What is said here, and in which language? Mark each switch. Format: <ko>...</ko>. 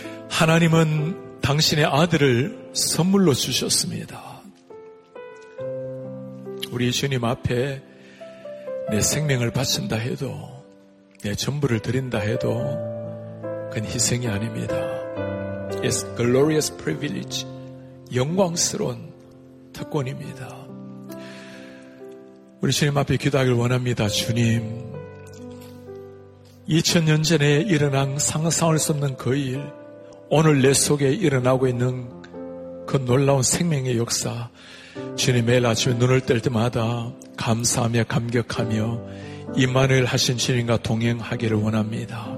<ko>하나님은 당신의 아들을 선물로 주셨습니다. 우리 주님 앞에 내 생명을 바친다 해도 내 전부를 드린다 해도 그건 희생이 아닙니다.</ko> <en>It's glorious privilege.</en> <ko>영광스러운 특권입니다. 우리 주님 앞에 기도하길 원합니다. 주님 2000년 전에 일어난 상상할 수 없는 그 일 오늘 내 속에 일어나고 있는 그 놀라운 생명의 역사 주님 매일 아침에 눈을 뗄 때마다 감사하며 감격하며 임마누엘 하신 주님과 동행하기를 원합니다.</ko>